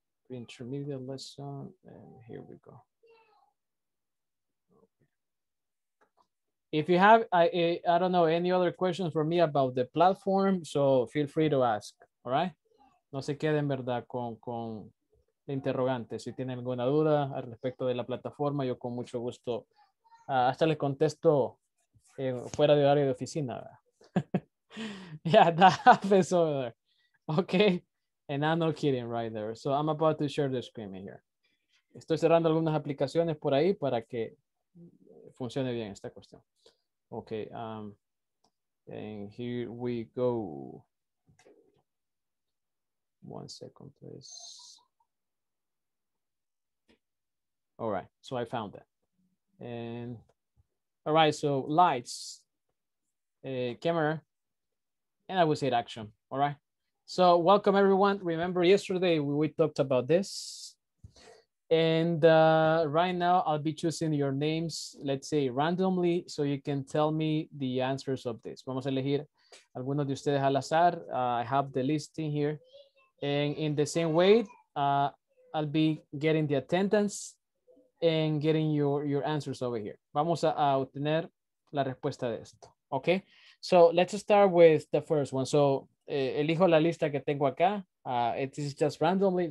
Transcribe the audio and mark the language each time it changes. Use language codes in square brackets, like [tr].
[en] Intermediate lesson, and here we go. If you have, I don't know, any other questions for me about the platform, so feel free to ask, all right? [es] No se queden, verdad, con interrogantes. Si tienen alguna duda al respecto de la plataforma, yo con mucho gusto, hasta les contesto fuera de horario de oficina. [en] Yeah, that happens over there. Okay, and I'm not kidding right there. So I'm about to share the screen in here. [es] Estoy cerrando algunas aplicaciones por ahí para que funcione bien esta cuestión. [en] Okay, and here we go. One second, please. All right, so I found that. And all right, so lights, camera, and I will say action. All right, so welcome everyone. Remember yesterday we talked about this. And right now I'll be choosing your names, let's say randomly, so you can tell me the answers of this. [es] Vamos a elegir algunos de ustedes al azar. [en] I have the list in here. And in the same way, I'll be getting the attendance and getting your answers over here. [es] Vamos a obtener la respuesta de esto. [en] Okay, so let's start with the first one. [es] So elijo la lista que tengo acá. [en] This is just randomly.